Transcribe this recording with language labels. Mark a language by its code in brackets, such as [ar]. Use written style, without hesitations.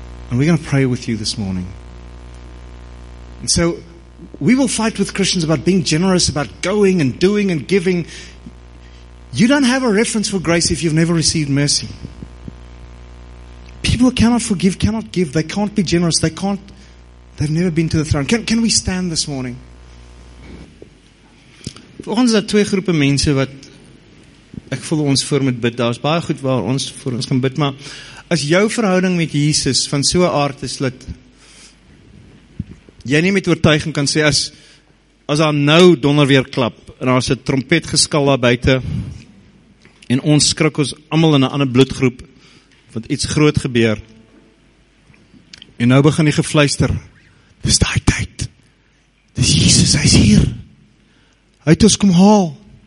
[en] And we're going to pray with you this morning. And so, we will fight with Christians about being generous, about going and doing and giving. You don't have a reference for grace if you've never received mercy. People who cannot forgive, cannot give, they can't be generous, they can't, they've never been to the throne. Can we stand this morning? [af] Vir ons daar twee groepe mense wat ek voel ons voor moet bid. Daar is baie goed waar ons voor ons kan bid, maar as jou verhouding met Jesus van so 'n aard is dat jy nie met oortuiging kan sê as daar nou donder weer klap en daar is 'n trompet geskal daar buite en ons skrik ons almal in 'n ander bloedgroep want iets groot gebeur en nou begin die gefluister, dis daai tyd, dis Jesus, hy is hier, hy het ons kom haal.